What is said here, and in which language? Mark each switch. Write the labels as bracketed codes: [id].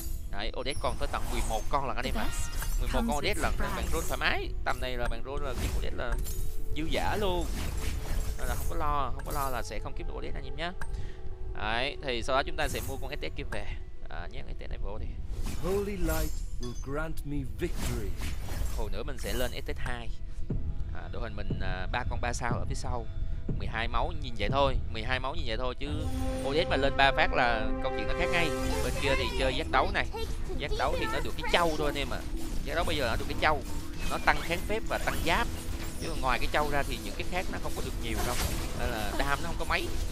[vi] Đấy, ODS còn tới tận 11 con lận anh em ạ. 11 con ODS lận, nên bạn roll thoải mái. Tầm này là bạn roll là kiếm ODS là dư giả luôn, nên là không có lo là sẽ không kiếm được ODS anh em nhé. Đấy, thì sau đó chúng ta sẽ mua con STS kia về. Nhét con STS này vô đi. [en] Holy light will grant me victory. [vi] Hồi nữa mình sẽ lên STS 2. Đội hình mình 3 con 3 sao ở phía sau, 12 máu nhìn vậy thôi, 12 máu nhìn vậy thôi chứ ODS mà lên 3 phát là câu chuyện nó khác ngay. Bên kia thì chơi giác đấu này, giác đấu thì nó được cái châu thôi anh em ạ. Giác đấu bây giờ nó được cái châu, nó tăng kháng phép và tăng giáp, chứ ngoài cái châu ra thì những cái khác nó không có được nhiều đâu, nên là đam nó không có mấy.